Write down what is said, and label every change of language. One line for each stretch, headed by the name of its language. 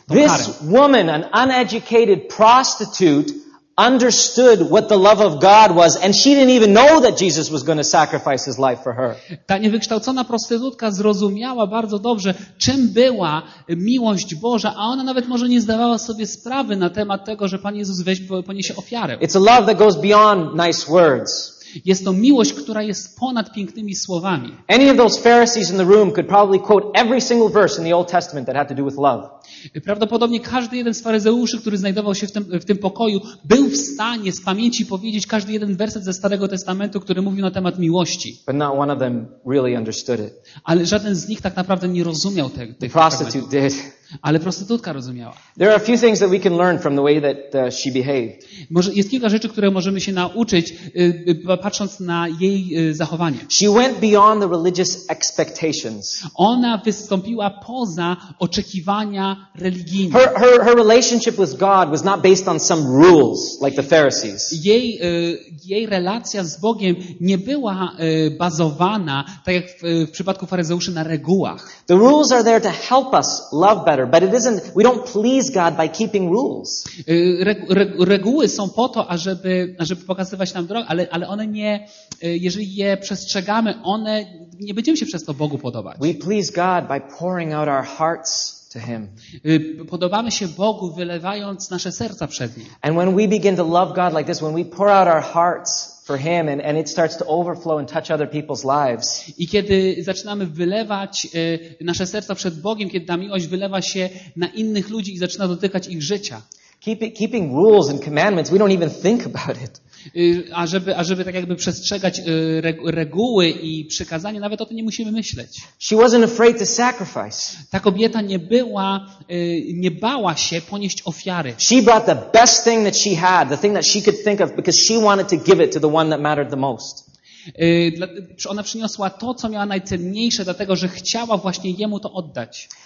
English: This woman, an uneducated prostitute, understood what the love of God was, and she didn't even know that Jesus was going to sacrifice his life for her.
Polish: Ta niewykształcona prostytutka zrozumiała bardzo dobrze, czym była miłość Boża, a ona nawet może nie zdawała sobie sprawy na temat tego, że Pan Jezus poniesie ofiarę.
English: It's a love that goes beyond nice words.
Polish: Jest to miłość, która jest ponad pięknymi słowami.
English: Any of those Pharisees in the room could probably quote every single verse in the Old Testament that had to do with love.
Polish: Prawdopodobnie każdy jeden z faryzeuszy, który znajdował się w tym pokoju, był w stanie z pamięci powiedzieć każdy jeden werset ze Starego Testamentu, który mówił na temat miłości.
English: But not one of them really understood it.
Polish: Ale żaden z nich tak naprawdę nie rozumiał tego.
English: The prostitute did.
Polish: Ale prostytutka rozumiała.
English: There are a few things that we can learn from the way that she behaved.
Polish: Jest kilka rzeczy, które możemy się nauczyć, patrząc na jej zachowanie.
English: She went beyond the religious expectations.
Polish: Ona wystąpiła poza oczekiwania religijne.
English: Her relationship with God was not based on some rules like the Pharisees.
Polish: Jej relacja z Bogiem nie była bazowana, tak jak w przypadku faryzeuszy, na regułach.
English: The rules are there to help us love better, but it isn't, we don't please God by keeping rules.
Polish: Reguły są po to, ażeby pokazywać nam drogę, ale one nie, jeżeli je przestrzegamy, one nie będziemy się przez to Bogu podobać.
English: We please God by pouring out our hearts to him.
Polish: Podobamy się Bogu, wylewając nasze serca przed nim.
English: And when we begin to love God like this, when we pour out our hearts for him, and it starts to overflow and touch other people's lives.
Polish: I kiedy zaczynamy wylewać nasze serca przed Bogiem, kiedy ta miłość wylewa się na innych ludzi i zaczyna dotykać ich życia.
English: Keeping rules and commandments, we don't even think about it.
Polish: Ażeby tak jakby przestrzegać reguły i przykazania, nawet o tym nie musimy myśleć.
English: She wasn't afraid to sacrifice.
Polish: Ta kobieta nie była, nie bała się ponieść ofiary.
English: She brought the best thing that she had, the thing that she could think of, because she wanted to give it to the one that mattered the most.
Polish: Ona przyniosła to, co miała najcenniejsze, dlatego że chciała właśnie jemu to oddać.